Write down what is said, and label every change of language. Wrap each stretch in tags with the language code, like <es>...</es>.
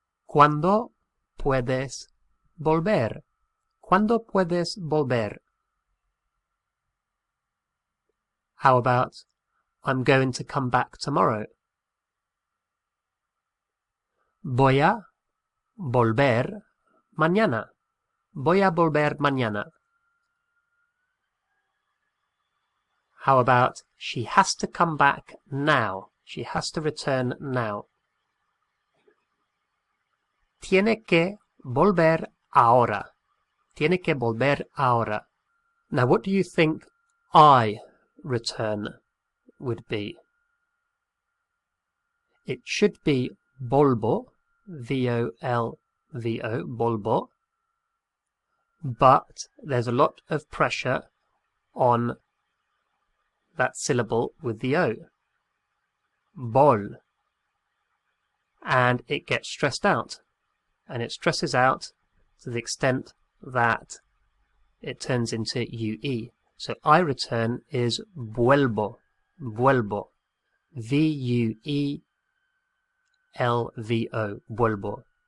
<es>¿Cuándo puedes volver? ¿Cuándo puedes volver?</es> <en>How about, I'm going to come back tomorrow.</en> <es>Voy a volver mañana. Voy a volver mañana.</es> <en>How about she has to come back now? She has to return now.</en> <es>Tiene que volver ahora. Tiene que volver ahora.</es> <en>Now, what do you think I return would be? It should be volvo, V-O-L-V-O, volvo. But there's a lot of pressure on that syllable with the O. Vol. And it gets stressed out. And it stresses out to the extent that it turns into UE. So I return is vuelvo, vuelvo, V-U-E-L-V-O, vuelvo.</en>